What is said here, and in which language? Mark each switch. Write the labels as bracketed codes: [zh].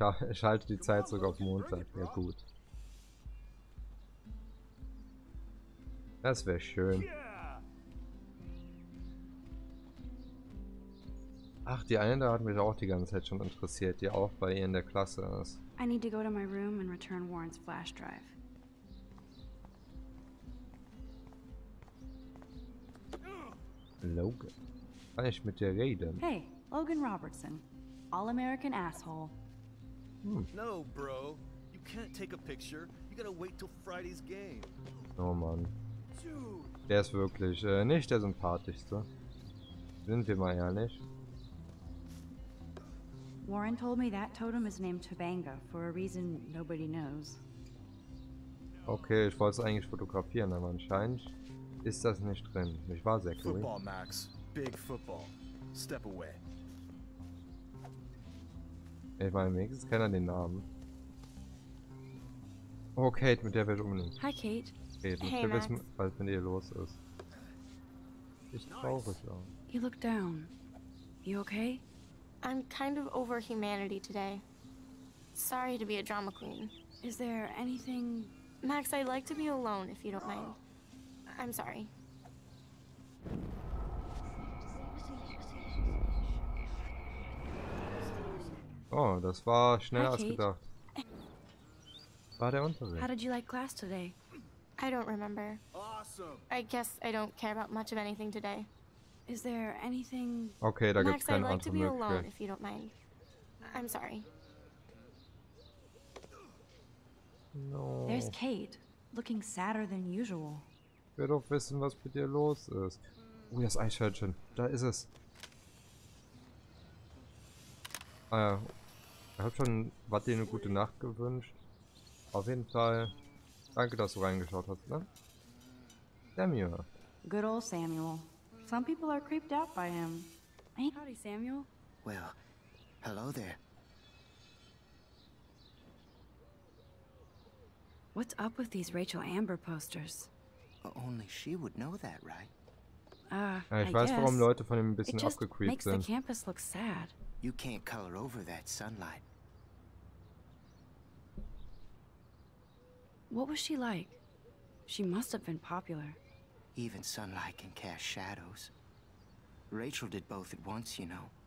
[de] Ich schalte die Zeit sogar auf Montag. Ja, gut. Das wäre schön. Ach, die eine da hat mich auch die ganze Zeit schon interessiert, die auch bei ihr in der Klasse ist. [en] I need to go to my room and return Warren's flash drive. [de] Logan, kann ich mit dir reden? [en] Hey, Logan Robertson, All-American Asshole. No, bro. You can't take a picture. You gotta wait till Friday's game. [de] Oh Mann. Der ist wirklich nicht der sympathischste. Sind wir mal ehrlich. [en] Warren told me that totem is named Tobanga for a reason nobody knows. [de] Okay, ich wollte es eigentlich fotografieren, aber anscheinend ist das nicht drin. Ich war sehr cool. [en] Football, Max. Big football. Step away. [de] Ich meine, wenigstens kennt er den Namen. Oh, Kate, mit der werde ich unbedingt. [en] Hi, Kate. Kate, hey, Max. [de] Wissen, was mit ihr los ist. Ich brauche es auch. [en] You look down. You okay? I'm kind of over humanity today. Sorry to be a drama queen. Is there anything... Max, I'd like to be alone, if you don't mind. I'm sorry. [de] Oh, das war schneller als gedacht. War der Unterricht? [en] How did you like class today? I don't remember. Awesome. I guess I don't care about much of anything today. Is there anything? [de] Okay, da gibt's keine andere Möglichkeit. [en] Max, I'd like to be alone, if you don't mind. I'm sorry. No. There's Kate, looking sadder than usual. [de] Ich will doch wissen, was mit dir los ist. Oh, das Eichhörnchen, da ist es. Ah ja, ich hab schon Watt dir eine gute Nacht gewünscht. Auf jeden Fall, danke, dass du reingeschaut hast, ne? Samuel. [en] Good old Samuel. Some people are creeped out by him. Howdy, Samuel. Well, hello there. What's up with these Rachel Amber posters? Only she would know that, right? [de] Ja, ich weiß, warum Leute von ihm ein bisschen abgecreept sind. [en] It just makes the campus look sad. You can't color over that sunlight. What was she like? She must have been popular. Even sunlight can cast shadows. Rachel did both at once, you know.